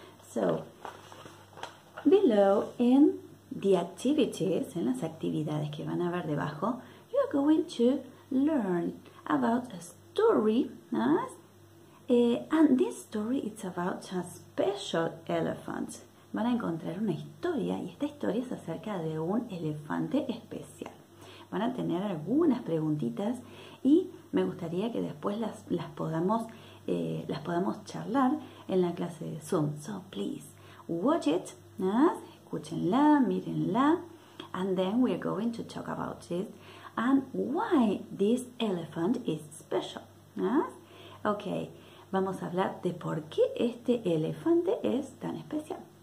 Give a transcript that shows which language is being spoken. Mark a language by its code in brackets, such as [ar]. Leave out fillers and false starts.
[en] So, below in the activities, [es] en las actividades que van a ver debajo, [en] you are going to learn about a story, ¿sí? And this story is about a special elephant. [es] Van a encontrar una historia, y esta historia es acerca de un elefante especial. Van a tener algunas preguntitas y me gustaría que después las podamos charlar en la clase de Zoom. [en] So please, watch it, ¿no? [es] Escúchenla, mírenla, [en] and then we are going to talk about it and why this elephant is special, ¿no? [es] Okay, vamos a hablar de por qué este elefante es tan especial.